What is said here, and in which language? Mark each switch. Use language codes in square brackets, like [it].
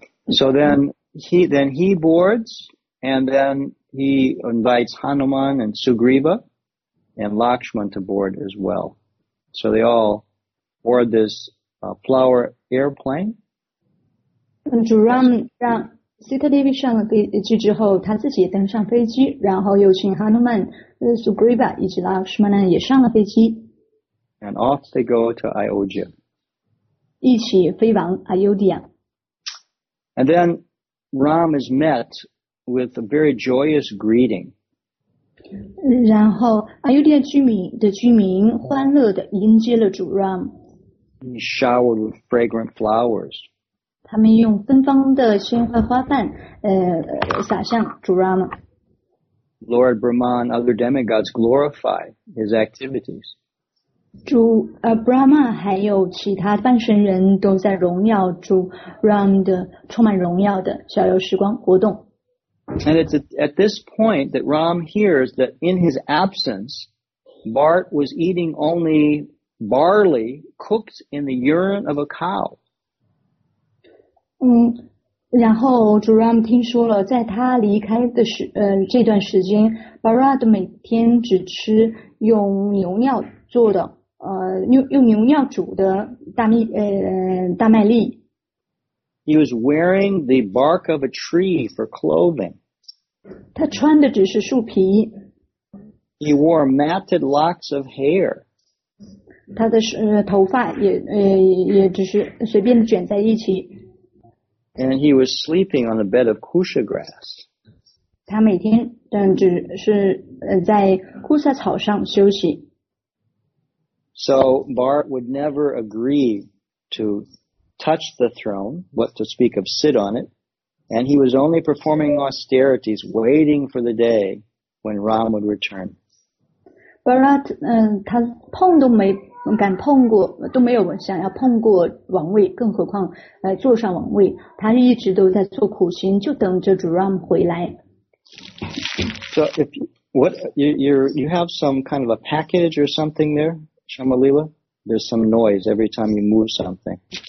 [en] So then he boards, and then he invites Hanuman and Sugriva and Lakshman to board as well. So they all board this flower airplane. [zh] 主 Ram 让 Sita Devi 上了飞机之后，他自己也登上飞机，然后又请 Hanuman、Sugriva 以及 Lakshman 也上了飞机。 [en] And off they go to Ayodhya. [zh] 一起飞往 Ayodhya. [en] And then Ram is met with a very joyous greeting. [zh] 然后 Ayodhya 居民欢乐地迎接了主 Ram. [en] He's showered with fragrant flowers. [zh] 他们用芬芳的鲜花花瓣洒向主 Ram. [en] Lord Brahma and other demigods glorify his activities. [zh] 主Brahma 还有其他半神人都在荣耀主 Ram 的充满荣耀的逍遥时光活动。 [en] And it's at this point that Ram hears that in his absence, Bart was eating only barley cooked in the urine of a cow. [zh] 然后主 Ram 听说了，在他离开的这段时间， Bharat 每天只吃用牛尿做的用牛尿煮的大麦粒。 [en] He was wearing the bark of a tree for clothing. [zh] 他穿的只是树皮。 [en] He wore matted locks of hair. [zh] 他的头发也只是随便卷在一起。 [en] And he was sleeping on a bed of kusha grass. [zh] 他每天只是在枯沙草上休息。 [en] So Bart would never agree to touch the throne, what to speak of sit on it, and he was only performing austerities, waiting for the day when Ram would return. [zh] Bharat, 他碰都没敢碰过，都没有想要碰过王位，更何况坐上王位。他一直都在做苦行，就等着主 Ram 回来。 [en] So if you have some kind of a package or something there, Shamalila, there's some noise every time you move something.